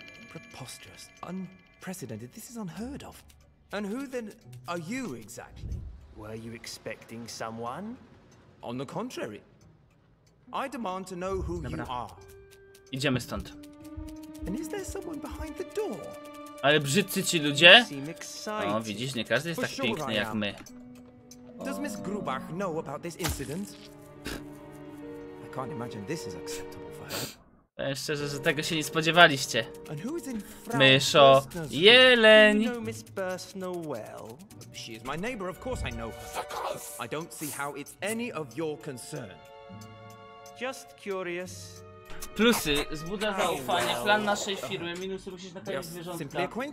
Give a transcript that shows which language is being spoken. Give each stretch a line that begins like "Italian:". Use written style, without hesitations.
English: Preposterous, unprecedented, this is unheard of. And who then are you exactly? Were you expecting someone? On the contrary. I demand to know who you are.
Polish: Idziemy stąd.
English: And is there someone behind the door?
Polish: Ale brzydcy ci ludzie? O, widzisz, nie każdy jest tak piękny jak my.
English: Does Miss Grubach know about this incident? I can't imagine this is acceptable for her.
Polish: Szczerze, że tego się nie spodziewaliście. Myszo, jeleń.
English: You know Miss Bursnow well? She is my neighbor, of course I know her. I don't see how it's any of your concern. Just curious.
Polish: Plusy, zbudza zaufanie, plan naszej firmy, minusy, musisz nakarmić zwierzątka.